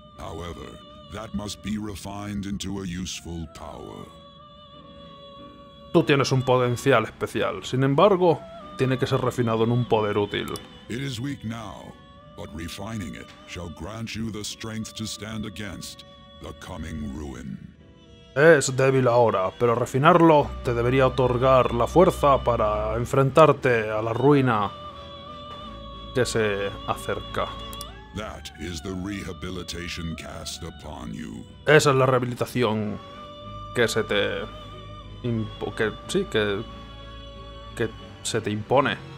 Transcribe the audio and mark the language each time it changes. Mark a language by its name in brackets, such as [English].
[English] However, that must be refined into a useful power. [Spanish] Tú tienes un potencial especial. Sin embargo, tiene que ser refinado en un poder útil. [English] It is weak now, but refining it shall grant you the strength to stand against the coming ruin. [Spanish] Es débil ahora, pero refinarlo te debería otorgar la fuerza para enfrentarte a la ruina que se acerca. [English] That is the rehabilitation cast upon you. [Spanish] Esa es la rehabilitación que se te impone.